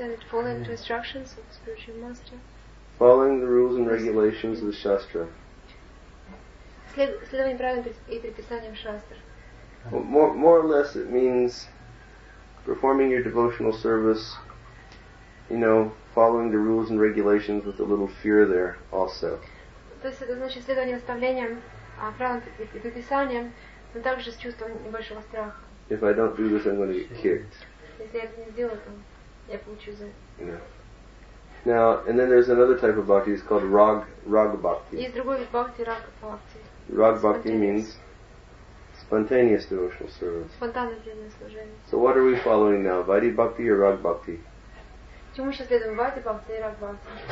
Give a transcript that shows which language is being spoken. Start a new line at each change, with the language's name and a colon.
English: Following the instructions of the spiritual master. Following the rules and regulations of the shastra.
Russian: Следование правил и предписаниям шастр.
English: More or less it means performing your devotional service, you know, following the rules and regulations with a little fear there also.
Russian: То есть это значит следование наставлениям, правилам и предписаниям, но также с чувством небольшого страха.
English: If I don't do this, I'm going to get kicked.
Russian: Если я это не сделаю, то я получу за это.
English: Now, and then there's another type of bhakti, it's called rag bhakti.
Russian: Есть другой вид бхакти, рага-бхакти.
English: Rag bhakti means spontaneous devotional service.
Russian: Спонтанное преданное служение.
English: So what are we following now, vaidhi bhakti or rag bhakti?
Russian: Чему сейчас следуем, vaidhi bhakti или rag bhakti?